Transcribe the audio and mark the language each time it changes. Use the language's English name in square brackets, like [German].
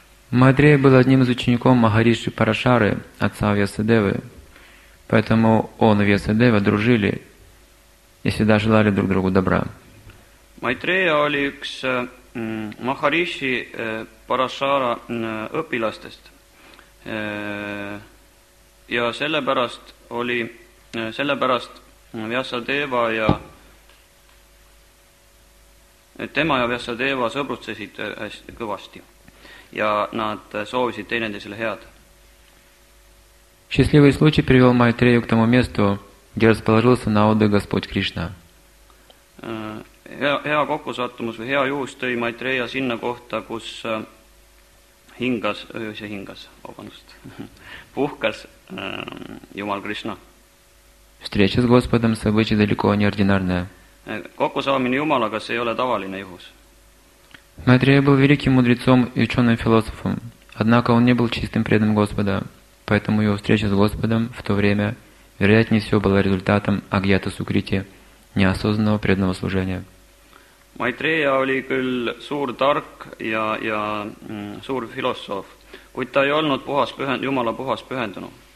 [Russian] Майтрея был одним из учеников Махариши Парашары, отца Вьясадевы. Поэтому он и Вьясадева дружили и всегда желали друг другу добра. [Estonian] Майтрея oli üks Махариши Парашара õpilastest. Ja sellepärast oli sellepärast Vyasadeva ja tema ja Vyasadeva sõbrutsesid hästi kõvasti. Ja nad soovisid teineteisele head. [Russian] Счастливый случай привел Майтрею к тому месту, где расположился на отдых Господь Кришна. [Estonian] Hea kokkusattumus või hea juhus tõi Maitreya sinna kohta, kus hingas, see hingas, vabandust, puhkas Jumal Krishna. [Russian] Встреча с Господом – событие далеко неординарное. [Estonian] Kokkusaamine Jumalaga, see ei ole tavaline juhus. [Russian] Maitreya был великим мудрецом и ученым философом, однако он не был чистым преданным Господа, поэтому его встреча с Господом в то время – вероятнее всего было результатом агьята сукрити, неосознанного преданного служения. [Estonian] Майтрея oli küll suur tark ja suur filosoof, kuid ta ei olnud puhas pühendunu, Jumala puhas pühendunu.